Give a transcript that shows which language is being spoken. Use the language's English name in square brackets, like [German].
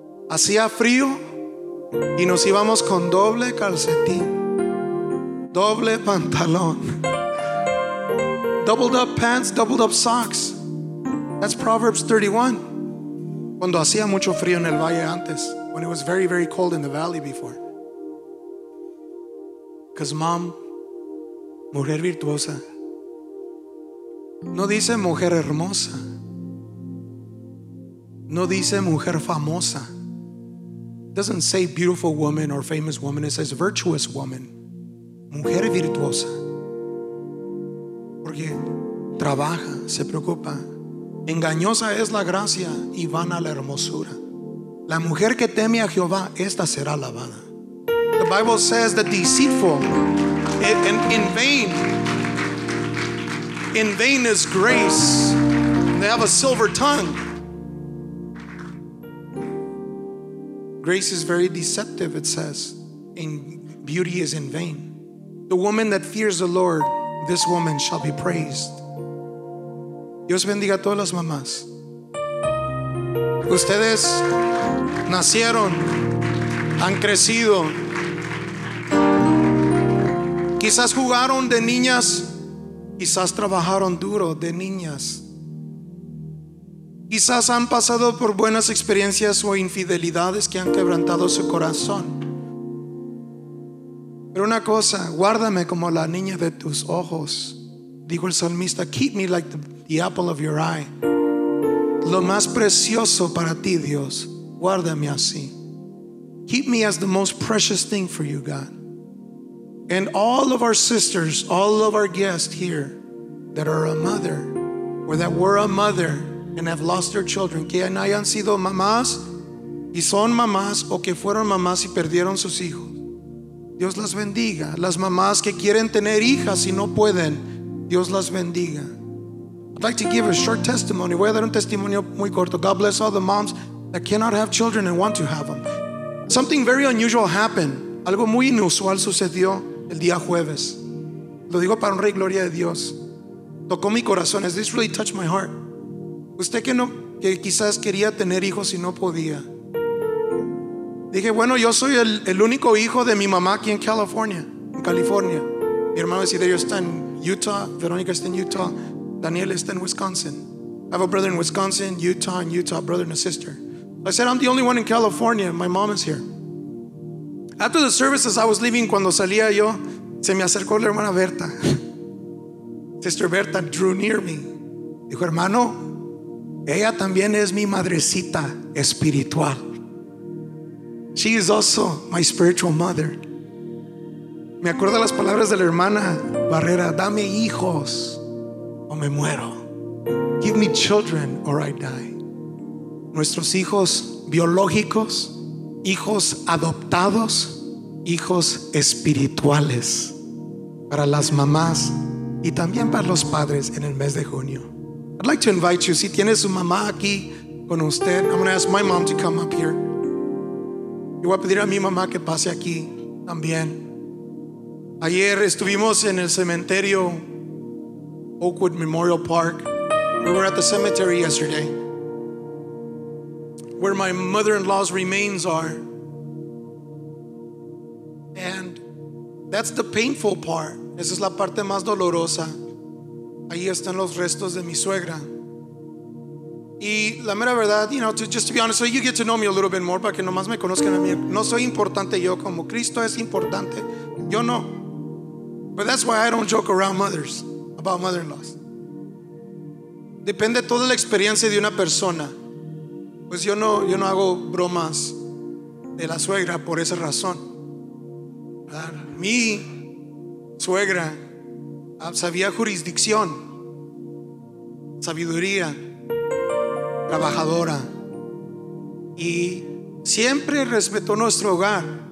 [Spanish] Hacía frío y nos íbamos con doble calcetín, doble pantalón. [English] Doubled up pants, doubled up socks. That's Proverbs 31. [Spanish] Cuando hacía mucho frío en el valle antes. [English] When it was very, very cold in the valley before. Because mom, [Spanish] mujer virtuosa, no dice mujer hermosa, no dice mujer famosa. [English] It doesn't say beautiful woman or famous woman. It says virtuous woman. [Spanish] Mujer virtuosa. Porque trabaja, se preocupa. Engañosa es la gracia y vana la hermosura. La mujer que teme a Jehová, esta será alabada. [English] The Bible says that deceitful and in vain is grace. They have a silver tongue. Grace is very deceptive, it says, and beauty is in vain. The woman that fears the Lord, this woman shall be praised. [Spanish] Dios bendiga a todas las mamás. Ustedes nacieron, han crecido. Quizás jugaron de niñas, quizás trabajaron duro de niñas. Quizás han pasado por buenas experiencias o infidelidades que han quebrantado su corazón. Pero una cosa, guárdame como la niña de tus ojos, dijo el salmista. [English] Keep me like the apple of your eye. [Spanish] Lo más precioso para ti, Dios, guárdame así. [English] Keep me as the most precious thing for you, God. And all of our sisters, all of our guests here that are a mother or that were a mother and have lost their children, [Spanish] que hayan sido mamás y son mamás o que fueron mamás y perdieron sus hijos, Dios las bendiga. Las mamás que quieren tener hijas y no pueden, Dios las bendiga. [English] I'd like to give a short testimony. [Spanish] Voy a dar un testimonio muy corto. [English] God bless all the moms that cannot have children and want to have them. Something very unusual happened. [Spanish] Algo muy inusual sucedió el día jueves. Lo digo para honra y gloria de Dios. Tocó mi corazón. [English] This really touched my heart. [Spanish] Usted que no, que quizás quería tener hijos y no podía. Dije, bueno, yo soy el único hijo de mi mamá aquí en California. En California. Mi hermano decía, yo está en Utah. Verónica está en Utah. Daniel está en Wisconsin. [English] I have a brother in Wisconsin, Utah, and Utah, brother and a sister. I said, I'm the only one in California. My mom is here. After the services, I was leaving. [Spanish] Cuando salía yo, se me acercó la hermana Berta. [English] Sister Berta drew near me. [Spanish] Dijo, hermano, Ella también es mi madrecita espiritual. [English] She is also my spiritual mother. [Spanish] Me acuerdo las palabras de la hermana Barrera: dame hijos o me muero. [English] Give me children or I die. [Spanish] Nuestros hijos biológicos, hijos adoptados, hijos espirituales, para las mamás y también para los padres en el mes de junio. [English] I'd like to invite you, [Spanish] si tiene su mamá aquí con usted, [English] I'm going to ask my mom to come up here. [Spanish] Yo voy a pedir a mi mamá que pase aquí también. Ayer estuvimos en el cementerio Oakwood Memorial Park. [English] We were at the cemetery yesterday, where my mother-in-law's remains are. And that's the painful part. [Spanish] Esa es la parte más dolorosa. Ahí están los restos de mi suegra. Y la mera verdad, [English] you know, just to be honest, so you get to know me a little bit more, [Spanish] para que nomás me conozcan a mí. No soy importante yo, como Cristo es importante. Yo no. [English] But that's why I don't joke around mothers, about mother-in-laws. [Spanish] Depende toda la experiencia de una persona. Pues yo no hago bromas de la suegra por esa razón. Mi suegra sabía jurisdicción, sabiduría, trabajadora, y siempre respetó nuestro hogar.